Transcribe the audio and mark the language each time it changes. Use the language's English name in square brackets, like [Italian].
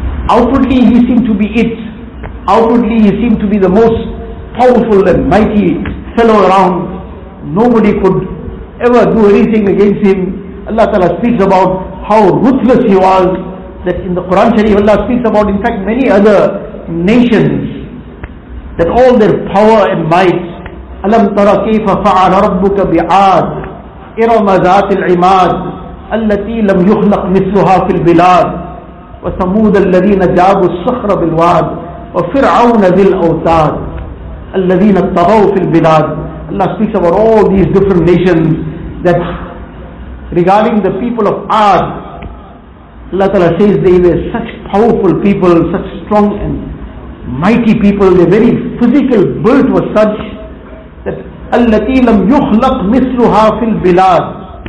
[English] Outwardly he seemed to be it. Outwardly he seemed to be the most powerful and mighty fellow around. Nobody could ever do anything against him. Allah Ta'ala speaks about how ruthless he was. That in the Quran Sharif Allah speaks about, in fact, many other nations, that all their power and might. [Arabic] أَلَمْ تَرَ كَيْفَ فَعَلَ رَبُّكَ بِعَادِ إِرَمَ ذَاتِ الْعِمَادِ التي لم يخلق مثلها في البلاد وثمود الذين جابوا الصخر بالواد وفرعون ذي الأوتاد الذين طغوا في البلاد. [English] Allah speaks about all these different nations that regarding the people of Ad, Allah Ta'ala says they were such powerful people, such strong and mighty people, their very physical build was such that [Arabic] التي لم يخلق مثلها في البلاد.